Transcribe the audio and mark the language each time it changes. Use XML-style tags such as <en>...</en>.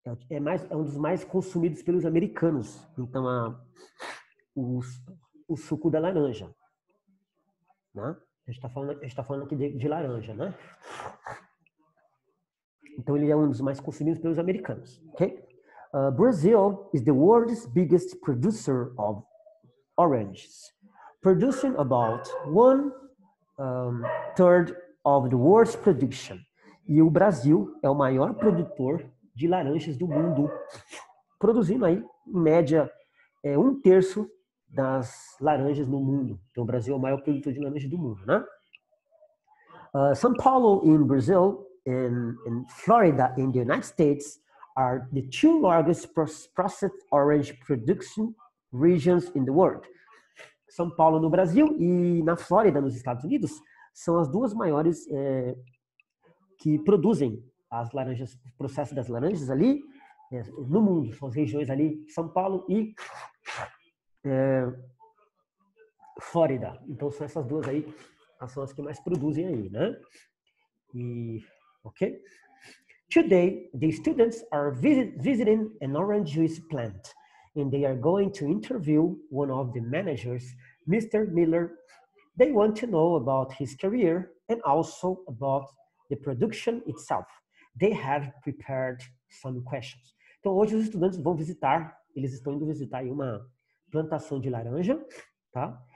<pt>É um dos mais consumidos pelos americanos. Então, o suco da laranja, né? A gente tá falando aqui de laranja, né? Então, ele é um dos mais consumidos pelos americanos, ok?</pt> <en>Brazil is the world's biggest producer of oranges, producing about one third of the world's production.</en> <pt>E o Brasil é o maior produtor de laranjas do mundo, produzindo aí, em média, um terço das laranjas no mundo. Então, o Brasil é o maior produtor de laranjas do mundo, né?</pt> <en>São Paulo, in Brazil, and Florida, in the United States, are the two largest processed orange production regions in the world.</en> <pt>São Paulo, no Brasil, e na Flórida, nos Estados Unidos, são as duas maiores que produzem as laranjas, o processo das laranjas ali, no mundo. São as regiões ali, São Paulo e Flórida. Então, são essas duas aí, são as que mais produzem aí, né? Ok?</pt> <en>Today, the students are visiting an orange juice plant, and they are going to interview one of the managers, Mr. Miller. They want to know about his career and also about the production itself. They have prepared some questions.</en> <pt>Então, hoje os estudantes vão visitar, eles estão indo visitar aí uma plantação de laranja, tá?</pt>